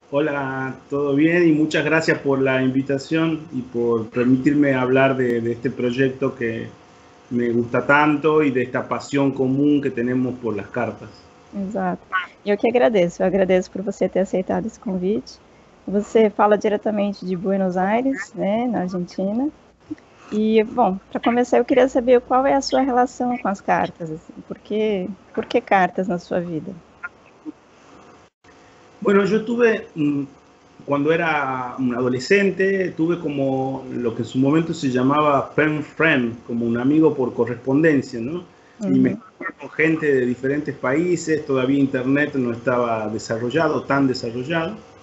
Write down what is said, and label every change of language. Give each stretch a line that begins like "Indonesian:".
Spanish: Hola, todo bien y muchas gracias por la invitación y por permitirme hablar de este proyecto que me gusta tanto y de esta pasión común que tenemos por las cartas.
Portuguese: Exato. Eu que agradeço. Eu agradeço por você ter aceitado esse convite. Você fala diretamente de Buenos Aires, né, na Argentina. E, bom, para começar, eu queria saber qual é a sua relação com as cartas, assim, por que cartas na sua vida?
Spanish: Bueno, yo tuve, cuando era un adolescente, tuve como lo que en su momento se llamaba
English: pen friend,
Spanish: como un amigo por correspondencia, ¿no? Y me juntaba con gente de diferentes países, todavía internet no estaba desarrollado, tan desarrollado.